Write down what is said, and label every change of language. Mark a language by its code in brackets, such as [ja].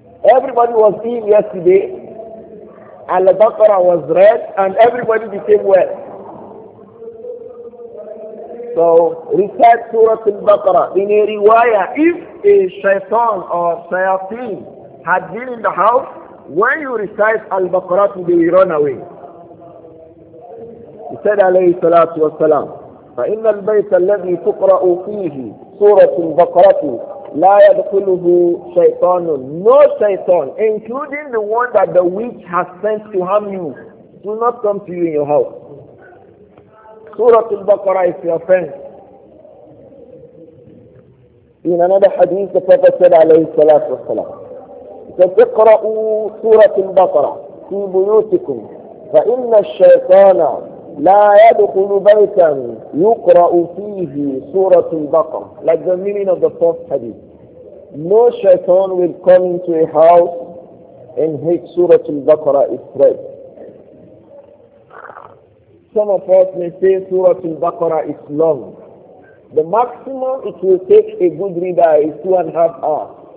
[en] Everybody was in yesterday. Al-Baqarah was read and everybody became well. So recite Surah Al-Baqarah in a riwayah. If a shaitan or shayateen had been in the house, when you recite Al-Baqarah, they will run away. He said, [ar] alayhi salatu wasalam, فَإِنَّ الْبَيْتَ الَّذِي تُقْرَأُ فِيهِ سُورَةُ الْبَقَرَةُ لا يدخله شيطان, [en] no شيطان, including the one that the witch has sent to harm you, do not come to you in your house. Surah Al-Baqarah is your friend. In another hadith, the Prophet said [ar] alayhi salatu wa salam, فَتِقْرَأُوا سُورَةُ الْبَقَرَةِ فِي بُيُوتِكُمْ فَإِنَّ الشَّيْطَانَ لَا يَدْخُلُ بَيْتًا يُقْرَأُ فِيهِ سُورَةُ الْبَقَرَةِ. [en] Like the meaning of the fourth hadith. No shaitan will come into a house in which Surah Al-Baqarah is read. Some of us may say Surah Al-Baqarah is long. The maximum it will take a good reader is 2.5 hours.